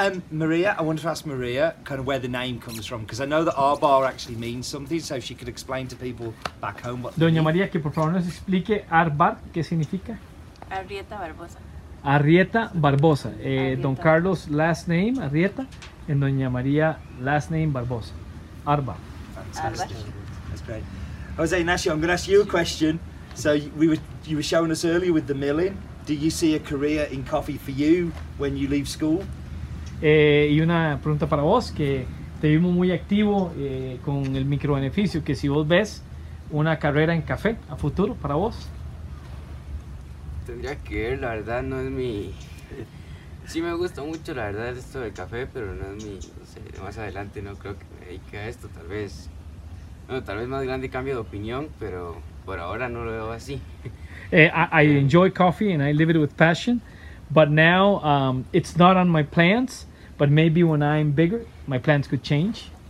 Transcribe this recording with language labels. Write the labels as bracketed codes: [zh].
[en] Maria, I wanted to ask Maria kind of where the name comes from, because I know that Arbar actually means something, so if she could explain to people back home what [es] Doña Maria, que por favor nos explique Arbar, ¿qué significa? Arrieta Barbosa. [en] Arrieta Barbosa. Arrieta. Don Carlos, last name, Arrieta, and Doña Maria, last name, Barbosa. Arbar. Fantastic. That's great. Jose Ignacio, I'm going to ask you a question. So you were showing us earlier with the milling. Do you see a career in coffee for you when you leave school? [es] Y una pregunta para vos, que te vimos muy activo con el microbeneficio, que si vos ves una carrera en café a futuro para vos. Tendría que ver, la verdad no es mi... Sí me gusta mucho la verdad esto del café, pero no es mi... No sé, más adelante no creo que me dedique a esto, tal vez... Bueno, tal vez más grande cambio de opinión, pero por ahora no lo veo así. [en] I enjoy coffee and I live it with passion, but now it's not on my plans, but maybe when I'm bigger, my plans could change.